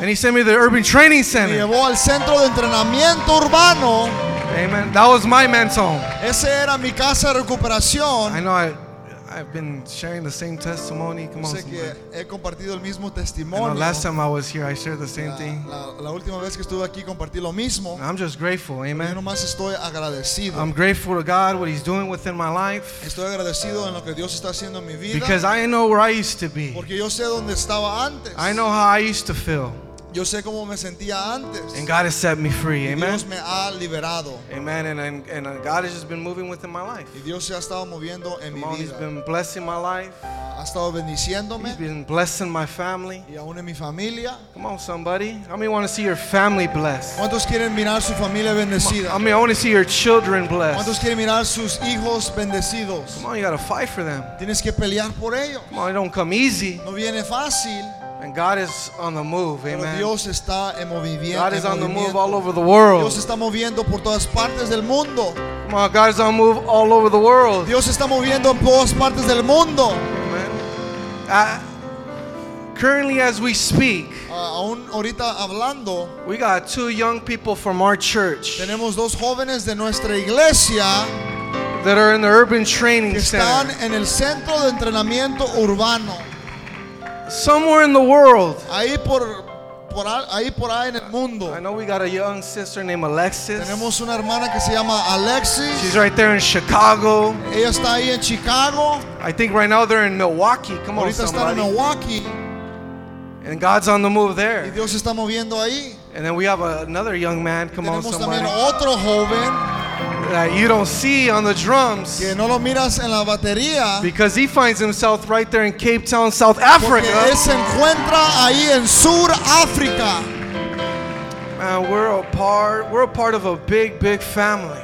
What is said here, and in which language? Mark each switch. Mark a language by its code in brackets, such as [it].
[en] and he sent me to the Urban Training Center. [es] Y llevó al centro de entrenamiento urbano. [en] Amen. That was my man's home. [es] Ese era mi casa de recuperación. [en] I know I've been sharing the same testimony. Come on, [es] he compartido el mismo testimonio. [en] I know last time I was here, I shared the same thing. [es] La última vez que estuve aquí compartí lo mismo. [en] I'm just grateful, amen. [es] Yo nomás estoy agradecido. [en] I'm grateful to God what He's doing within my life. [es] Estoy agradecido en lo que Dios está haciendo en mi vida. [en] Because I know where I used to be. [es] Porque yo sé dónde estaba antes. [en] I know how I used to feel. [es] Yo sé cómo me sentía antes. [en] And God has set me free, amen. [es] Dios me ha liberado. [en] Amen. And God has just been moving within my life. [es] Y Dios se ha estado moviendo en mi vida. [en] He's been blessing my life. [es] Ha estado bendiciéndome. [en] He's been blessing my family. [es] Y aún en mi familia. [en] Come on, somebody. How many want to see your family blessed? [es] ¿Cuántos quieren mirar su familia bendecida? [en] How many want to see your children blessed? [es] ¿Cuántos quieren mirar sus hijos bendecidos? [en] Come on, you got to fight for them. [es] Tienes que pelear por ellos. [en] Come on, it don't come easy. [es] No viene fácil. [en] And God is on the move, amen. [es] Pero Dios está en movimiento. [en] God is on the move all over the world. [es] Dios está moviendo por todas partes del mundo. [en] Come on, God is on the move all over the world. [es] Dios está moviendo en todas partes del mundo. [en] Amen. Currently, as we speak, [es] aún ahorita hablando, [en] we got two young people from our church. [es] Tenemos dos jóvenes de nuestra iglesia [en] that are in the urban training [es] que están [en] center. [es] En el centro de entrenamiento urbano. [en] Somewhere in the world. I know we got a young sister named Alexis. [es] Tenemos una hermana que se llama Alexis. [en] She's right there in Chicago. [es] Ella está ahí en Chicago. [en] I think right now they're in Milwaukee. Come [es] ahorita [en] on, somebody. [es] Está en Milwaukee. [en] And God's on the move there. [es] Y Dios está moviendo ahí. [en] And then we have another young man. Come [es] tenemos [en] on, somebody. [es] También otro joven. [en] That you don't see on the drums, [es] que no lo miras en la batería, [en] because he finds himself right there in Cape Town, South Africa. [es] Porque él se encuentra ahí en Sur África. [en] Man, we're a part of a big, big family.